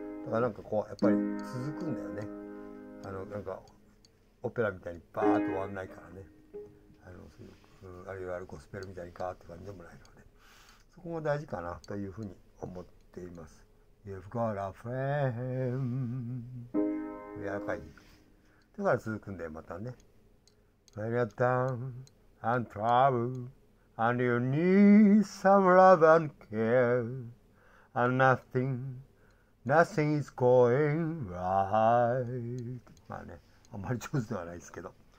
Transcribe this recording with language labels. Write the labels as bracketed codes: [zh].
[ja] なんかこうやっぱり続くんだよね。あのなんかオペラみたいにバーッと終わんないからね。あのすごく、あるいはゴスペルみたいにかーって感じでもないので、そこが大事かなというふうに思っています。 [en] You've got a friend、 [ja] 柔らかい、だから続くんだよまたね。 [en] When you're down and trouble and you need some love and care and nothingNothing is going right. [ja] まあね、あんまり上手ではないですけど。